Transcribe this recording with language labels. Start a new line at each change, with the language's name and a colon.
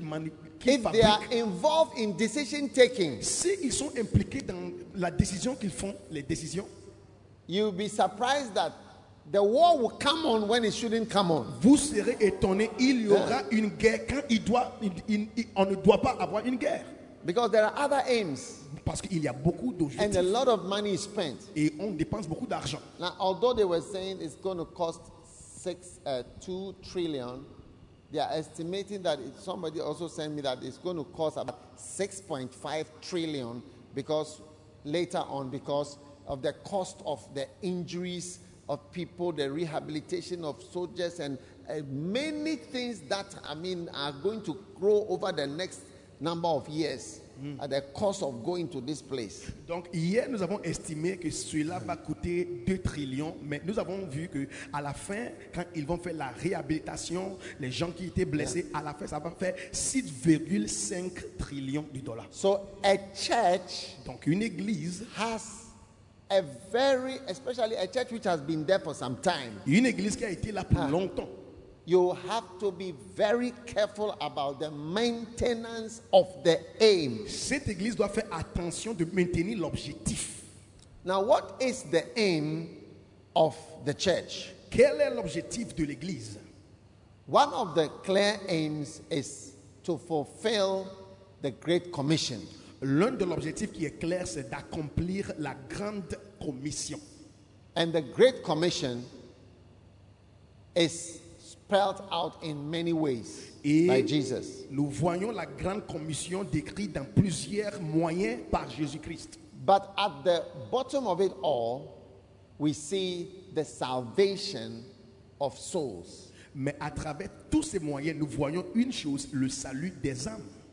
French: fabriquent,
English: if they are involved in decision taking,
French: si ils sont impliqués dans la décision qu'ils font, les décisions,
English: you'll be surprised that the war will come on when it shouldn't come on.
French: Vous serez étonné, il y aura une guerre quand on ne doit pas avoir une guerre.
English: Because there are other aims.
French: Parce qu'il y a beaucoup d'objectifs.
English: And a lot of money is spent.
French: Et on dépense beaucoup d'argent.
English: Now, although they were saying it's going to cost $2 trillion, they are estimating that somebody also sent me that it's going to cost about $6.5 trillion because of the cost of the injuries of people, the rehabilitation of soldiers, and many things that are going to grow over the next number of years. At the cost of going to this place.
French: Donc hier nous avons estimé que cela va coûter 2 trillions, mais nous avons vu que à la fin quand ils vont faire la réhabilitation, les gens qui étaient blessés, à la fin ça va faire $6.5 trillion.
English: So a church,
French: donc une église,
English: has a very, especially a church which has been there for some time.
French: Une église qui a été là pour longtemps.
English: You have to be very careful about the maintenance of the aim.
French: Cette église doit faire attention de maintenir l'objectif.
English: Now, what is the aim of the church?
French: Quel est l'objectif de l'église?
English: One of the clear aims is to fulfill the Great Commission.
French: L'un de l'objectif qui est clair, c'est d'accomplir la Grande Commission.
English: And the Great Commission is spelled out in many ways by Jesus.
French: Nous voyons la grande commission décrite dans plusieurs moyens par Jésus-Christ.
English: But at the bottom of it all, we see the salvation of souls.
French: Mais à travers tous ces moyens, nous voyons une chose, le salut des âmes.